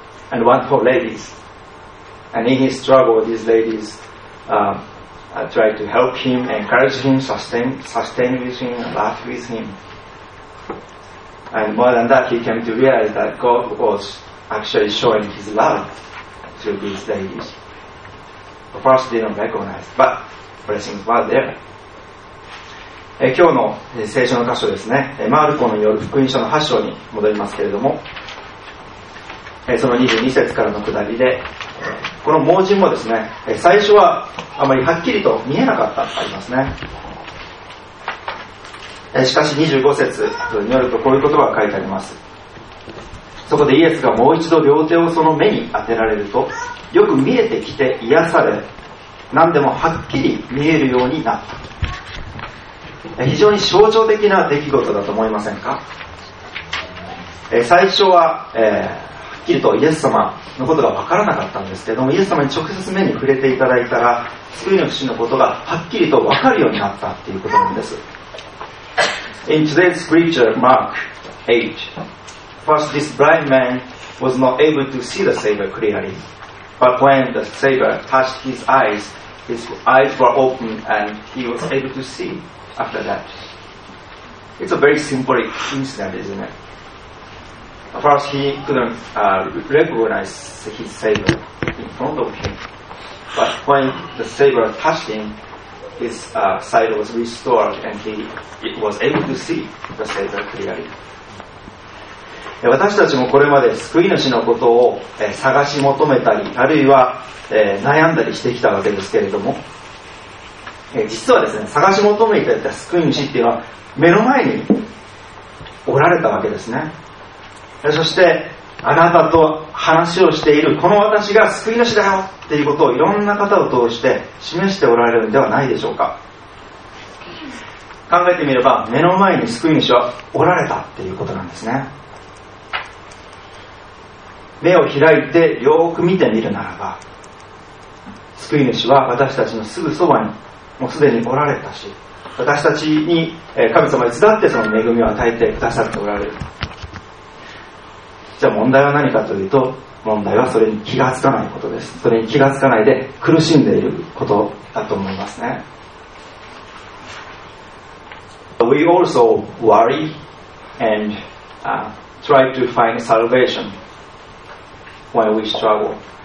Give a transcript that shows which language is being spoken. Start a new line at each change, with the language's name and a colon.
English: And wonderful ladies. And in his struggle, these ladies tried to help him, encourage him, sustain with him, laugh with him. And more than that, he came to realize that God was actually showing his love to these ladies. At first, they didn't recognize, but blessings were there.
Japanese: 今日の聖書の箇所ですね、マルコによる福音書の8章に戻りますけれども、その22節からの下りで、この盲人もですね、最初はあまりはっきりと見えなかったとありますね。しかし25節によるとこういうことが書いてあります。そこでイエスがもう一度両手をその目に当てられると、よく見えてきて癒され、何でもはっきり見えるようになった。非常に象徴的な出来事だと思いませんか。最初は、はっきりとイエス様のことが分からなかったんですけども、イエス様に直接目に触れていただいたら、救いの主のことがはっきりと分かるようになったということなんです。
English: In today's scripture, Mark 8, first this blind man was not able to see the Savior clearly, but when the Savior touched his eyes were open and he was able to see after that. It's a very symbolic incident, isn't it? First, he couldn't recognize his Savior in front of him. But when the Savior touched him, his sight was restored and he was able to see the Savior clearly.
Japanese: 私たちもこれまで救い主のことを探し求めたり、あるいは悩んだりしてきたわけですけれども、実はですね、探し求めていた救い主っていうのは目の前におられたわけですね。そしてあなたと話をしているこの私が救い主だよっていうことをいろんな方を通して示しておられるのではないでしょうか。考えてみれば目の前に救い主はおられたっていうことなんですね。目を開いてよく見てみるならば、救い主は私たちのすぐそばにもうすでにおられたし、私たちに神様に伝ってその恵みを与えてくださっておられる。じゃあ問題は何かというと、問題はそれに気がつかないことです。それに気がつかないで苦しんでいることだと思いますね。
English: We also worry and try to find salvation when we struggle.